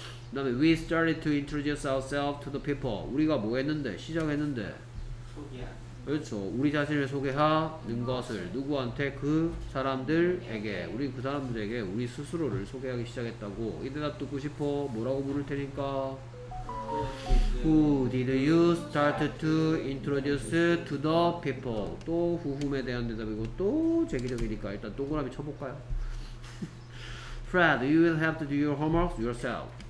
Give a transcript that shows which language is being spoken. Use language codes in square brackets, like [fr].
[ko] 그 다음에 [en] we started to introduce ourselves to the people. [ko] 우리가 뭐 했는데? 시작했는데? 소개한. 그렇죠. 우리 자신을 소개하는 것을 누구한테? 그 사람들에게. 우리 그 사람들에게 우리 스스로를 소개하기 시작했다고. 이 대답 듣고 싶어? 뭐라고 물을 테니까? [en] Who did you start to introduce to the people? [ko] 또 who, whom에 대한 대답이고, 또 제기적이니까 일단 동그라미 쳐볼까요? [en] Fred, you will have to do your homework yourself.